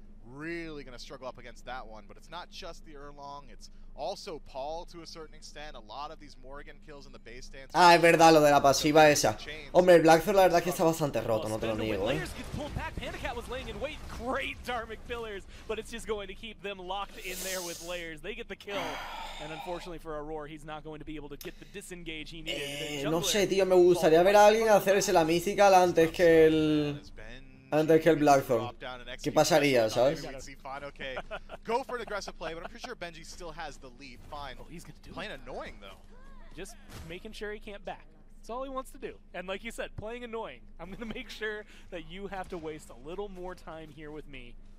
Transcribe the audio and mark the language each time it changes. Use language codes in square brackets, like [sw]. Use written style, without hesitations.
[en] Really gonna struggle up against that one, but it's not just the Erlong, it's also Paul to a certain extent. A lot of these Morrigan kills in the base stance. [es] Ah, es verdad lo de la pasiva esa. Hombre, el Blackthorn la verdad que está bastante roto, no te lo niego, eh. [en] Pandacat was laying in wait, great Darmic pillars, but it's just going to keep them locked in there with layers. They get the kill, and unfortunately for Aurora, he's not going to be able to get the disengage he needed. [es] No sé, tío, me gustaría ver a alguien hacerse la Mystical antes que el. Antes que el Blackthorn. ¿Qué pasaría, sabes? [en] Go for an aggressive play, but I'm pretty sure Benji still has the lead. Fine. Oh, he's gonna do it. Playing annoying though. Just making sure he can't back. That's all he wants to do. And like you said, playing annoying. I'm gonna make sure that you have to waste a little more time here with me.